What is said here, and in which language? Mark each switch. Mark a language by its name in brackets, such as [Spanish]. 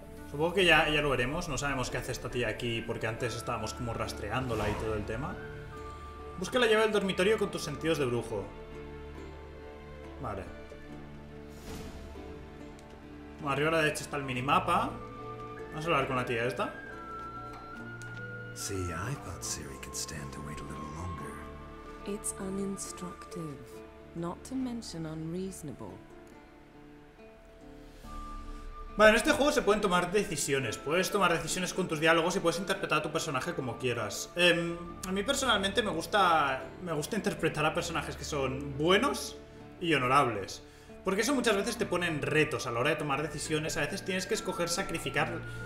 [Spanish] Supongo que ya lo veremos. No sabemos qué hace esta tía aquí, porque antes estábamos como rastreándola y todo el tema. Busca la llave del dormitorio con tus sentidos de brujo. Vale. Bueno, arriba a la derecha está el minimapa. Vamos a hablar con la tía esta. [English] Sí, I thought Siri could stand to wait a little longer. It's uninstructive, not to mention unreasonable. [Spanish] Vale, en este juego se pueden tomar decisiones. Puedes tomar decisiones con tus diálogos y puedes interpretar a tu personaje como quieras. A mí personalmente me gusta interpretar a personajes que son buenos y honorables. Porque eso muchas veces te pone en retos a la hora de tomar decisiones. A veces tienes que escoger sacrificar.